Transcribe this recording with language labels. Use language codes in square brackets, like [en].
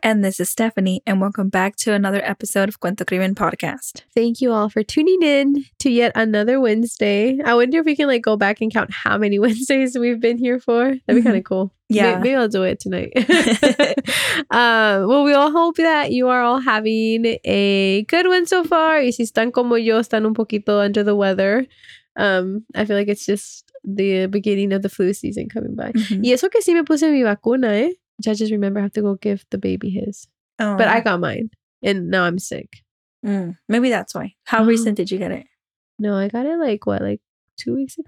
[en] And this is Stephanie, and welcome back to another episode of Cuento Crimen Podcast. Thank you all for tuning in to yet another Wednesday. I wonder if we can like go back and count how many Wednesdays we've been here for. That'd be kind of cool. Yeah. Maybe I'll do it tonight. Well, we all hope that you are all having a good one so far. [es] Y si están como yo, están un poquito [en] under the weather. I feel like it's just the beginning of the flu season coming by. Mm-hmm. [es] Y eso que sí me puse mi vacuna, eh? [en] Which I just remember I have to go give the baby his. Oh. But I got mine. And now I'm sick. Mm. Maybe that's why. How recent did you get it? No, I got it like 2 weeks ago?